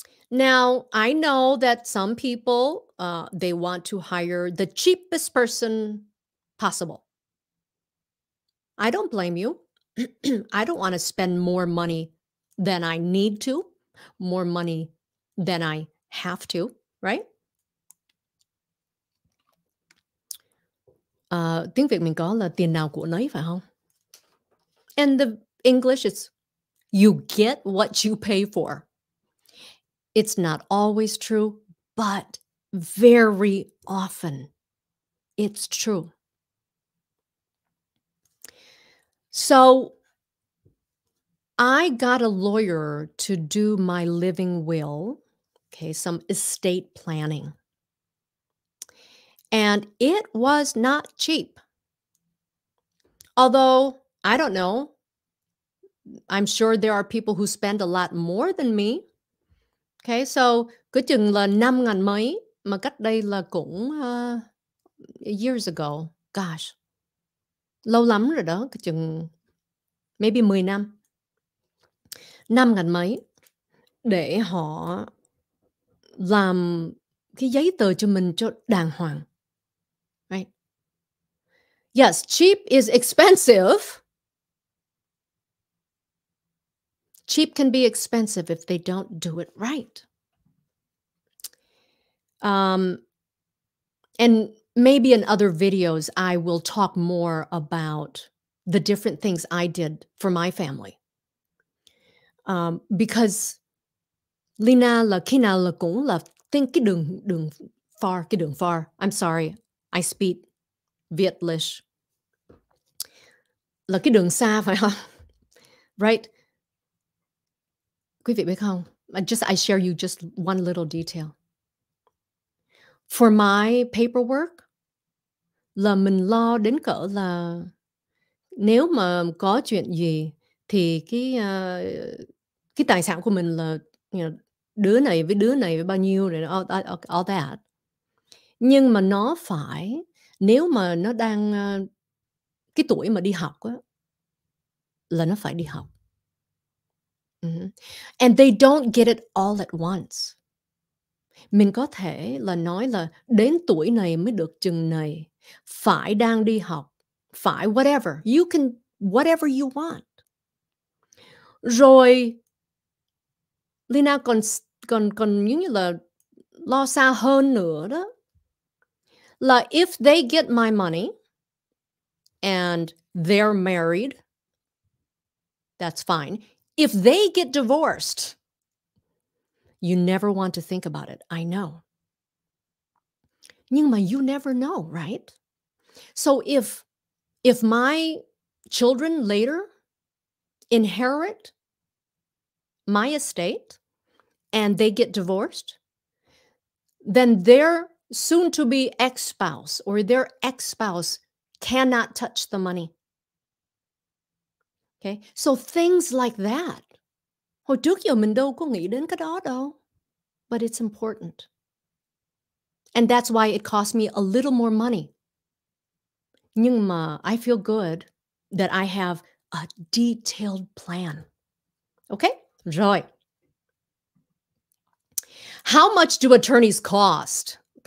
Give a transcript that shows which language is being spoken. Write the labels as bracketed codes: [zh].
[en] Now, I know that some people, they want to hire the cheapest person possible. I don't blame you. I don't want to spend more money than I need to, more money than I have to, right? [vi] Tiếng Việt mình có là tiền nào của nấy, phải không? [en] And the English is you get what you pay for. It's not always true, but very often it's true. So I got a lawyer to do my living will, okay, some estate planning. And it was not cheap. Although, I don't know, I'm sure there are people who spend a lot more than me. Okay, so [vi] cứ chừng là 5,000 mấy, mà cách đây là cũng [en] years ago. Gosh, [vi] lâu lắm rồi đó, cứ chừng [en] maybe [vi] 10 năm. 5,000 mấy để họ làm cái giấy tờ cho mình cho đàng hoàng. [en] Right? Yes, cheap is expensive. Cheap can be expensive if they don't do it right. And maybe in other videos, I will talk more about the different things I did for my family. Because [vi] Lina là khi nào là cũng là tính cái đường [en] far. I'm sorry, I speak Vietlish. [vi] Là cái đường xa phải không? [en] Right? [vi] Quý vị biết không? [en] I share you just one little detail. For my paperwork, [vi] là mình lo đến cỡ là nếu mà có chuyện gì thì cái tài sản của mình là, [en] you know, [vi] đứa này với bao nhiêu, [en] all that. [vi] Nhưng mà nó phải, nếu mà nó đang cái tuổi mà đi học á, là nó phải đi học. [en] And they don't get it all at once. [vi] Mình có thể là nói là đến tuổi này mới được chừng này, phải đang đi học, phải [en] whatever. You can, whatever you want. [vi] Rồi, Leyna còn như là lo xa hơn nữa đó. Là [en] if they get my money and they're married, that's fine. If they get divorced, you never want to think about it. I know. [vi] Nhưng mà [en] you never know, right? So if my children later inherit my estate and they get divorced, then their soon-to-be ex-spouse or their ex-spouse cannot touch the money. Okay, so things like that. [vi] Hồi trước giờ mình đâu có nghĩ đến cái đó đâu. [en] But it's important. And that's why it cost me a little more money. [vi] Nhưng mà [en] I feel good that I have a detailed plan. Okay? [vi] Rồi. [en] How much do attorneys cost?